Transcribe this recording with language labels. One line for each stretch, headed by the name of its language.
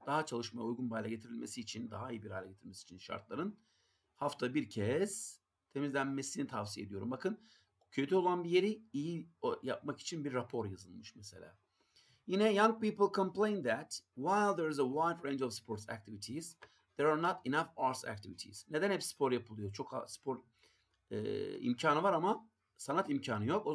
Turkish: Daha çalışmaya uygun bir hale getirilmesi için, daha iyi bir hale getirilmesi için şartların hafta bir kez temizlenmesini tavsiye ediyorum. Bakın kötü olan bir yeri iyi yapmak için bir rapor yazılmış mesela.
English: Yine young people complain that while there is a wide range of sports activities, there are not enough arts activities.
Turkish: Neden hep spor yapılıyor? Çok spor imkanı var ama sanat imkanı yok.